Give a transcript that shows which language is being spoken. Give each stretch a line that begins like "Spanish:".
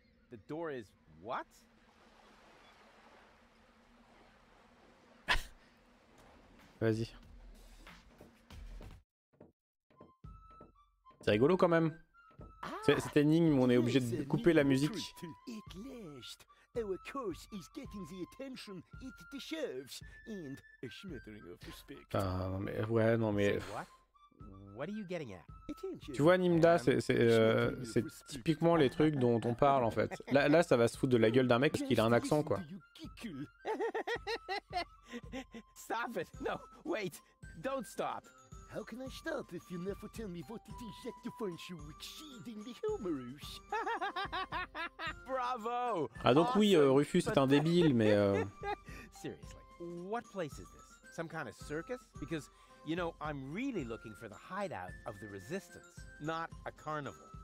English: The door is what?
French: Vas-y. C'est rigolo quand même. Cette énigme, on est obligé de couper la musique.
English: At last, our curse is getting the attention it deserves and a smattering of respect.
French: Ah non mais ouais non mais.
English: What are you getting at?
French: Tu vois Nimda, c'est typiquement les trucs dont on parle en fait. Là, là ça va se foutre de la gueule d'un mec parce qu'il a un accent quoi.
English: Stop it! No, wait! Don't stop! How can I stop if you never tell me what it is that defines you exceedingly humorous? Bravo!
French: Ah donc oui, Rufus est un débile, mais...
English: Seriously, what place is this? Some kind of circus? Because, you know, I'm really looking for the hideout of the Resistance, not a carnival.